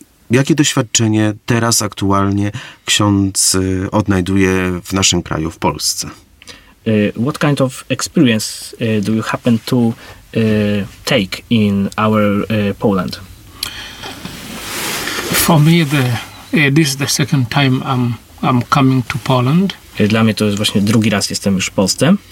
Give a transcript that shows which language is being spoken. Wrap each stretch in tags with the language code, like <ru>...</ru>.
<pl>Jakie doświadczenie teraz aktualnie ksiądz odnajduje w naszym kraju, w Polsce?</pl> <en>What kind of experience do you happen to take in our Poland? For me, this is the second time I'm coming to Poland.</en> <pl>Dla mnie to jest właśnie drugi raz jestem już w Polsce.</pl>